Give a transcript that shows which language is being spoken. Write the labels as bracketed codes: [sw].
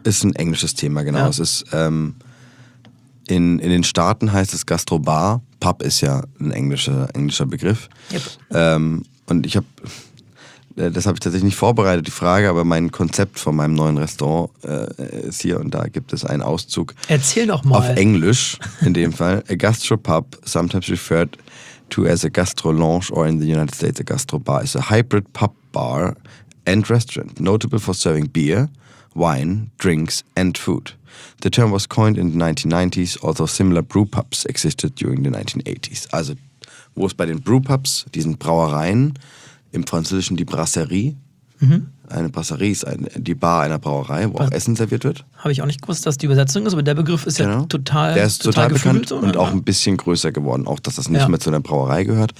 [de] Ist ein englisches Thema, genau. Ja. Es ist in den Staaten heißt es Gastrobar. Pub ist ja ein englischer Begriff. [en] Yep. [de] Und ich habe, das habe ich tatsächlich nicht vorbereitet, die Frage, aber mein Konzept von meinem neuen Restaurant ist hier und da gibt es einen Auszug. Erzähl doch mal. Auf Englisch in dem Fall. [en] A Gastropub, sometimes referred to as a Gastrolounge or in the United States a Gastrobar, is a hybrid pub bar and restaurant, notable for serving beer, wine, drinks and food. The term was coined in the 1990s, although similar brew pubs existed during the 1980s. [de] Also, wo es bei den brew pubs, diesen Brauereien, im Französischen die Brasserie, eine Brasserie ist die Bar einer Brauerei, wo auch Essen serviert wird. Habe ich auch nicht gewusst, dass die Übersetzung ist, aber der Begriff ist ja total, der ist total bekannt und auch ein bisschen größer geworden, auch dass das nicht mehr zu einer Brauerei gehört.